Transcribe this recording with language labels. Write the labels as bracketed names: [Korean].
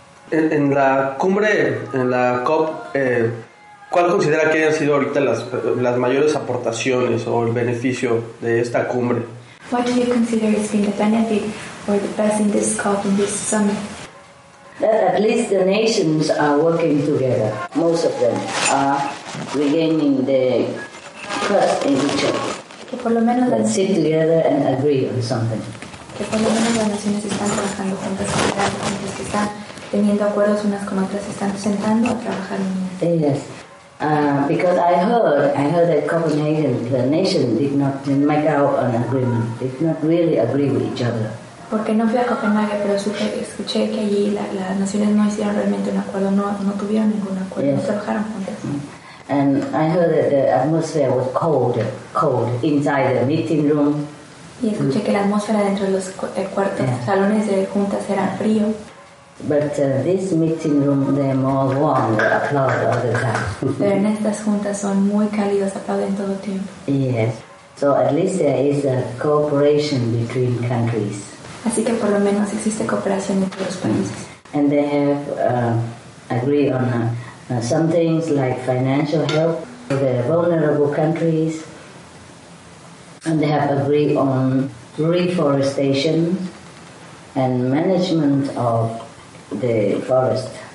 [Spanish] En la cumbre, en la COP, ¿cuál considera que hayan sido ahorita las mayores aportaciones o el beneficio de esta cumbre? [English] What do you consider has been the benefit or the best in this COP, in this summit? That at least the nations are working together. Most of them are regaining their trust in each other. [Spanish] Que por lo menos [English] las sit together and agree on something. [Spanish] Que por lo menos las naciones están trabajando juntas para que están teniendo acuerdos unas con otras, están sentando a trabajar en ellas. [English] Yes. Because I heard that Copenhagen, the nation, did not make out an agreement. Did not really agree with each other. [Spanish] Porque no fui a Copenhague, pero escuché que allí las naciones no hicieron realmente un acuerdo, no tuvieron ningún acuerdo, [English] yes. [Spanish] No trabajaron juntas. [English] And I heard that the atmosphere was cold inside the meeting room. [Spanish] Y escuché que la atmósfera dentro de los cuartos, [English] yeah, [Spanish] salones de juntas era frío. [English] But this meeting room, they're more warm, they applaud all the time. [Spanish] Pero en estas juntas son muy cálidos, aplauden todo el tiempo. [English] Yes. So at least there is a cooperation between countries. [Spanish] Así que por lo menos existe cooperación entre los países. [English] And they have agreed on some things like financial help for the vulnerable countries. And they have agreed on reforestation and management of the forest.